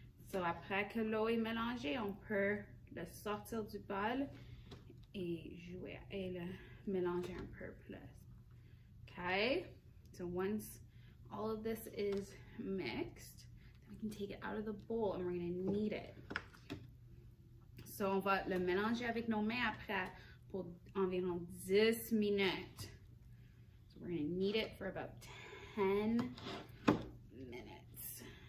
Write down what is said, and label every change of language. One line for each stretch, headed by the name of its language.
French: So après que l'eau est mélangée, on peut le sortir du bol et jouer et le mélanger un peu plus. OK.
English: So once all of this is mixed, then we can take it out of the bowl and we're going to knead it.
French: So on va le mélanger avec nos mains après pour environ 10 minutes.
English: So we're going to knead it for about 10 minutes.